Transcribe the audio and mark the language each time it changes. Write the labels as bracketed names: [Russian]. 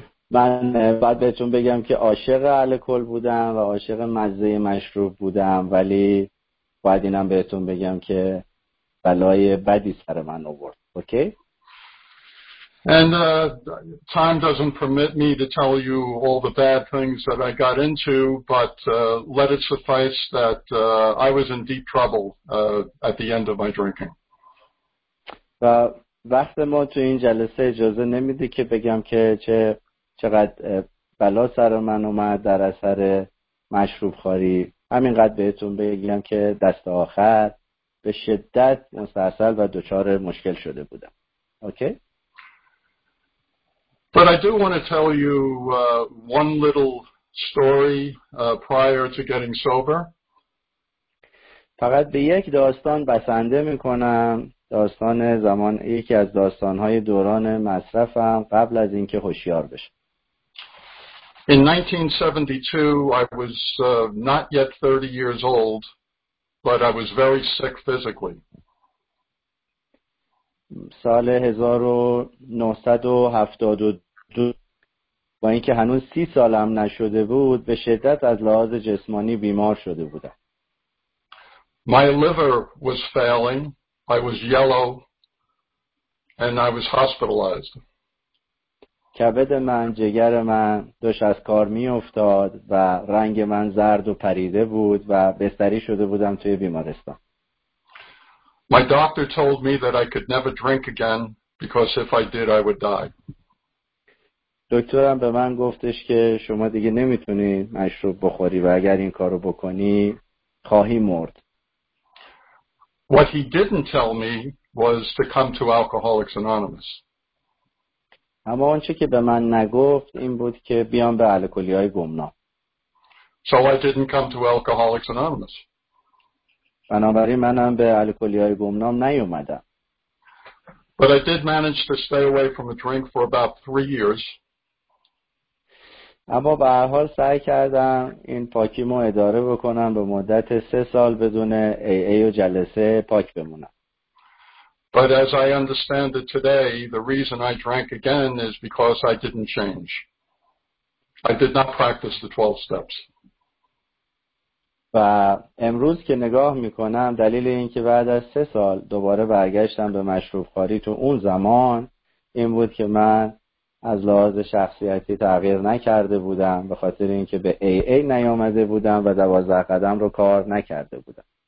[Persian] من بعد بهتون بگم که عاشق الکل بودم و عاشق مزه مشروب بودم، ولی بعد اینم بهتون بگم که بلای بدی سر من آورد. اوکی؟ [English] And time doesn't permit me to tell you all the bad things that I got into, but let it suffice that I was in deep trouble at the end of my drinking. [Persian] و وقت ما تو این جلسه اجازه نمیده که بگم که چقدر بلا سر من اومد در اثر مشروب خوری. همینقدر بهتون بگم که دست آخر به شدت مستعصل و دچار مشکل شده بودم. اوکی؟ [English] But I do want to tell you one little story prior to getting sober. [Persian] فقط به یک داستان بسنده می‌کنم، داستان زمان یکی از داستان‌های دوران مصرفم قبل از اینکه هوشیار بشم. [English] In 1972 I was not yet 30 years old, but I was very sick physically. [Persian] سال 1972 با اینکه هنوز 30 سالم نشده بود به شدت از لحاظ جسمانی بیمار شده بودم. [English] My liver was failing. I was yellow and I was hospitalized. [Persian] کبد من، جگر من داشت از کار می‌افتاد و رنگ من زرد و پریده بود و بستری شده بودم توی بیمارستان. [English] My doctor told me that I could never drink again because if I did, I would die. [Persian] دکترم به من گفتش که شما دیگه نمیتونی مشروب بخوری و اگر این کارو بکنی خواهی مرد. [English] What he didn't tell me was to come to Alcoholics Anonymous. [Persian] اما آنچه که به من نگفت این بود که بیام به الکلی‌های گمنام. [English] So I didn't come to Alcoholics Anonymous. [Persian] بنابراین منم به الکلی‌های گمنام نیومدم. [English] But I did manage to stay away from the drink for about 3 years. [Persian] اما به هر حال سعی کردم این پاکیمو اداره بکنم به مدت 3 سال بدون AA و جلسه پاک بمونم. [English] But as I understand it today, the reason I drank again is because I didn't change. I did not practice the 12 steps. [Persian] و امروز که نگاه میکنم دلیل این که بعد از 3 سال دوباره برگشتم به مشروب خواری تو اون زمان این بود که من از لحاظ شخصیتی تغییر نکرده بودم به خاطر اینکه به AA نیامده بودم و 12 قدم رو کار نکرده بودم.